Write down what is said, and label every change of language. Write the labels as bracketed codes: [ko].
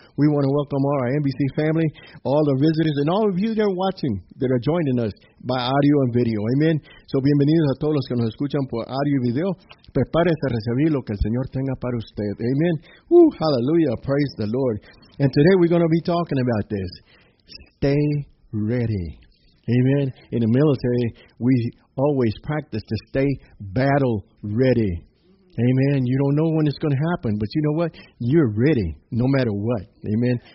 [en] We want to welcome all our NBC family, all the visitors, and all of you that are watching, that are joining us by audio and video. Amen. [es] So, bienvenidos a todos los que nos escuchan por audio y video. Prepárese a recibir lo que el Señor tenga para usted. [en] Amen. Woo, hallelujah. Praise the Lord. And today we're going to be talking about this. Stay ready. Amen. In the military, we always practice to stay battle ready. Amen. You don't know when it's going to happen, but you know what? You're ready no matter what. Amen.